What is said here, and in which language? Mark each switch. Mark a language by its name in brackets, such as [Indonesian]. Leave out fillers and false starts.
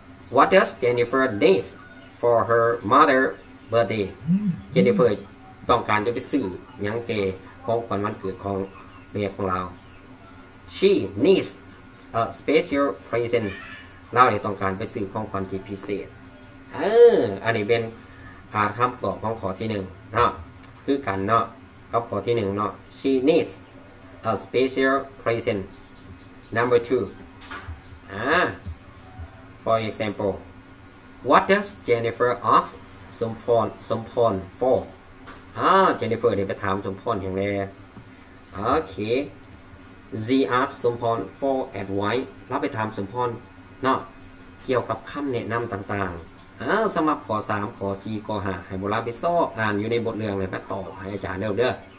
[English] What does Jennifer need for her mother birthday? [Thai] Jennifer ต้องการจะไปซื้อยังเกของขวัญวันเกิดของเมียของเรา [English] She needs a special present. [Thai] เราเนี่ยต้องการไปซื้อของขวัญที่พิเศษอันนี้เป็นคำตอบของข้อที่หนึ่งเนาะคือกันเนาะกับข้อที่หนึ่งเนาะ [English] She needs a special present. Number two. For example, what does Jennifer ask Somphon for? [Thai] Jennifer เนี่ยไปถามสมพรอย่างไรโอเค [English] she ask Somphon for advice [Thai] รับไปถามสมพรเนาะเกี่ยวกับคำแนะนำต่างๆสมัครข้อ3ข้อ4ข้อ5ให้บ่ลาไปซ้ออ่านอยู่ในบทเรื่องเลยไปต่อให้อาจารย์เด้อเด้อ